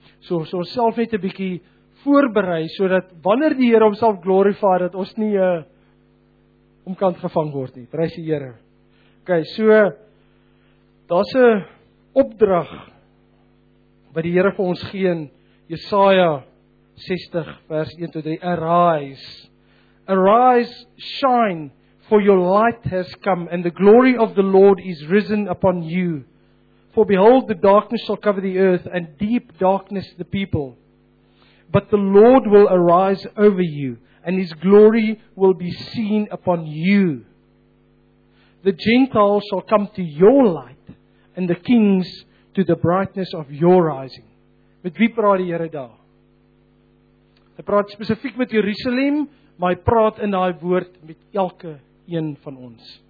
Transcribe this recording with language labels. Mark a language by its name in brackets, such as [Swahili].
[Afrikaans] So ons self net 'n bietjie voorberei sodat wanneer die Here homself glorify dat ons nie omkant gevang word nie. Prys die Here. OK, so daar's 'n opdrag wat die Here vir ons gee in Jesaja 60 vers 1 tot 3. Arise. [English] Arise, shine, for your light has come, and the glory of the Lord is risen upon you. For behold, the darkness shall cover the earth, and deep darkness the people. But the Lord will arise over you, and His glory will be seen upon you. The Gentiles shall come to your light, and the kings to the brightness of your rising. [Afrikaans] Met wie praat die Here daar? Hy praat spesifiek met Jerusalem, maar hy praat in daai woord met elke een van ons.